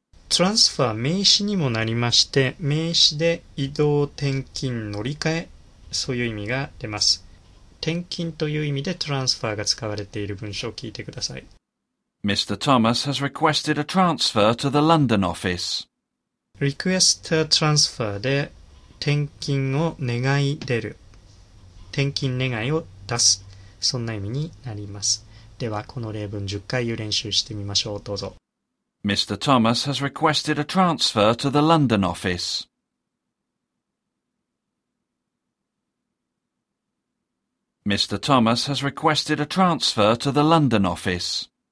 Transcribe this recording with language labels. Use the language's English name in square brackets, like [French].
[Japanese] Transfer 名詞にもなりまして、名詞で移動、転勤、乗り換え、そういう意味が出ます。転勤という意味でトランスファーが使われている文章を聞いてください。 [English] Mr. Thomas has requested a transfer to the London office. Request a transfer [Japanese] で転勤を願い出る、転勤願いを出す、そんな意味になります。ではこの例文10回練習してみましょう。どうぞ。 [English] Mr. Thomas has requested a transfer to the London office. Mr. Thomas has requested a transfer to the London office.